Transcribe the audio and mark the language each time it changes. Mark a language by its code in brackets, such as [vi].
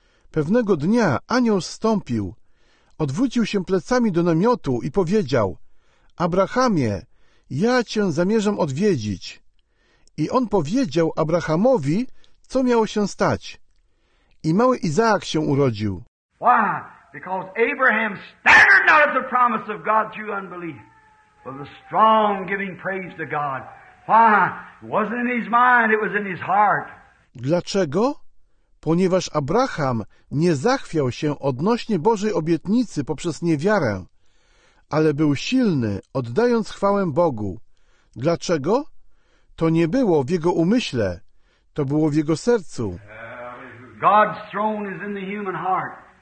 [pl] Pewnego dnia anioł zstąpił, odwrócił się plecami do namiotu i powiedział, Abrahamie, ja cię zamierzam odwiedzić. I on powiedział Abrahamowi, co miało się stać. I mały Izaak się urodził. [en] Why? Because Abraham staggered not at the promise of God through unbelief, but the strong giving praise to God. Why? It wasn't in his mind, it was in his heart. [pl] Dlaczego? Ponieważ Abraham nie zachwiał się odnośnie Bożej obietnicy poprzez niewiarę, ale był silny, oddając chwałę Bogu. Dlaczego? To nie było w jego umyśle, to było w jego sercu. [en] God's throne is in the human heart.